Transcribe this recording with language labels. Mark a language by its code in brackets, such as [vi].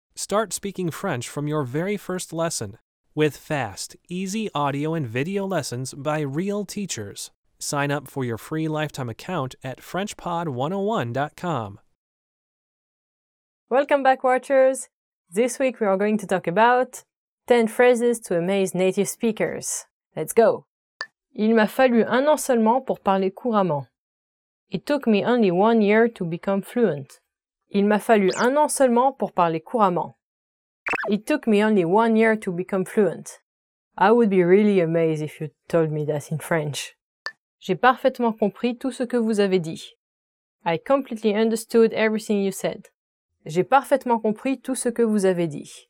[en] Start speaking French from your very first lesson with fast, easy audio and video lessons by real teachers. Sign up for your free lifetime account at FrenchPod101.com. Welcome back, watchers. This week we are going to talk about 10 phrases to amaze native speakers. Let's go. [fr] Il m'a fallu un an seulement pour parler couramment. [en] It took me only 1 year to become fluent. [fr] Il m'a fallu un an seulement pour parler couramment. [en] It took me only 1 year to become fluent. I would be really amazed if you told me that in French. [fr] J'ai parfaitement compris tout ce que vous avez dit. [en] I completely understood everything you said. [fr] J'ai parfaitement compris tout ce que vous avez dit.